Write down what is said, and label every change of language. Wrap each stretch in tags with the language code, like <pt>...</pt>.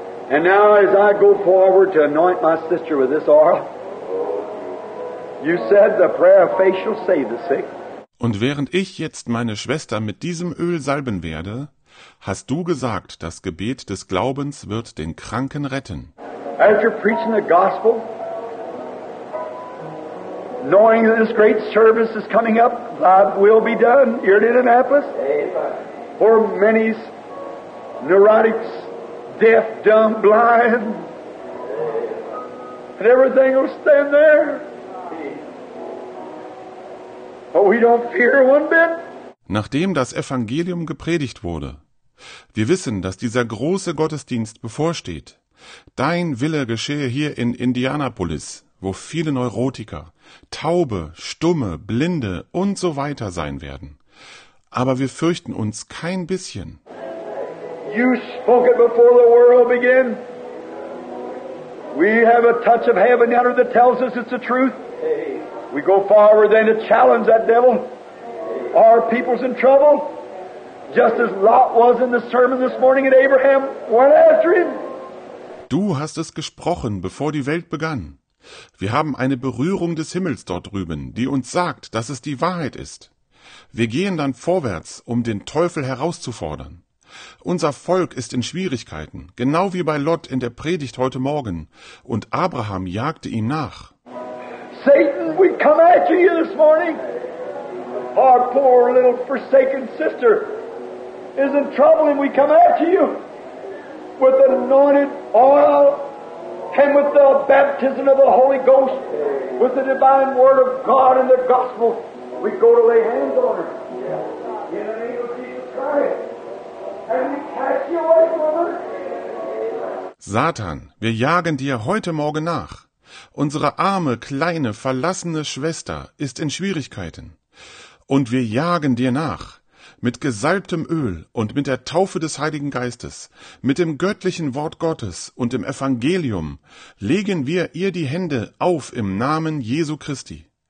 <en>And now as I go forward to anoint my sister with this oil, you said the prayer of faith shall save the sick.</en> <de>Und während ich jetzt meine Schwester mit diesem Öl salben werde, hast du gesagt, das Gebet des Glaubens wird den Kranken retten.</de> <en>As you're preaching the gospel, knowing that this great service is coming up, that will be done here in Indianapolis. For many neurotics, deaf, dumb, blind, and everything will stand there. But we don't fear one bit.</en> <de>Nachdem das Evangelium gepredigt wurde, wir wissen, dass dieser große Gottesdienst bevorsteht. Dein Wille geschehe hier in Indianapolis, wo viele Neurotiker, Taube, Stumme, Blinde und so weiter sein werden. Aber wir fürchten uns kein bisschen.</de> <en>You spoke it before the world began. We have a touch of heaven under that tells us it's the truth. We go forward then to challenge that devil. Our people's in trouble. Just as Lot was in the sermon this morning and Abraham went after him.</en> <de>Du hast es gesprochen, bevor die Welt begann. Wir haben eine Berührung des Himmels dort drüben, die uns sagt, dass es die Wahrheit ist. Wir gehen dann vorwärts, um den Teufel herauszufordern. Unser Volk ist in Schwierigkeiten, genau wie bei Lot in der Predigt heute Morgen, und Abraham jagte ihm nach.</de> <en>Satan, we come after you this morning. Our poor little forsaken sister is in trouble, and we come after you with the anointed oil and with the baptism of the Holy Ghost, with the divine word of God and the gospel. We go to lay hands on her in the name of Jesus Christ. And we cast you away from her.</en> <de>Satan, wir jagen dir heute Morgen nach. Unsere arme, kleine, verlassene Schwester ist in Schwierigkeiten. Und wir jagen dir nach, mit gesalbtem Öl und mit der Taufe des Heiligen Geistes, mit dem göttlichen Wort Gottes und dem Evangelium, legen wir ihr die Hände auf im Namen Jesu Christi.</de>